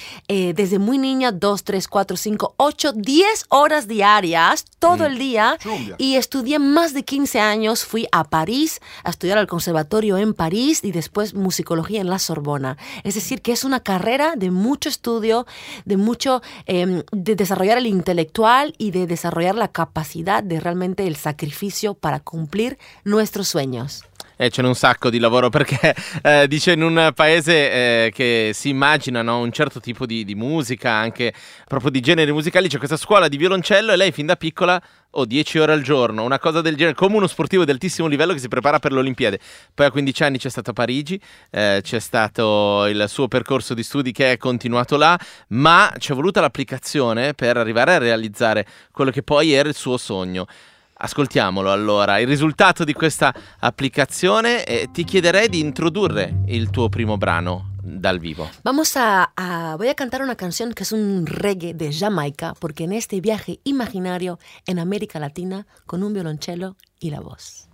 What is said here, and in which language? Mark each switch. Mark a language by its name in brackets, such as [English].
[Spanish] Desde muy niña, 2, 3, 4, 5, 8, 10 horas diarias, todo el día, y estudié más de 15 años, fui a París a estudiar al conservatorio en París y después musicología en la Sorbona. Es decir, que es una carrera de mucho estudio, de mucho de desarrollar el intelectual y de desarrollar la capacidad de realmente el sacrificio para cumplir nuestros sueños. [Italian] C'è un sacco di lavoro, perché dice, in un paese che si immagina, no, un certo tipo di musica, anche proprio di generi musicali, c'è questa scuola di violoncello e lei fin da piccola 10 ore al giorno, una cosa del genere, come uno sportivo di altissimo livello che si prepara per le Olimpiadi. Poi a 15 anni c'è stato a Parigi, c'è stato il suo percorso di studi che è continuato là, ma c'è voluta l'applicazione per arrivare a realizzare quello che poi era il suo sogno. Ascoltiamolo allora, il risultato di questa applicazione, e ti chiederei di introdurre il tuo primo brano dal vivo. [Spanish] Vamos a voy a cantar una canción que es un reggae de Jamaica, porque en este viaje imaginario en América Latina con un violonchelo y la voz.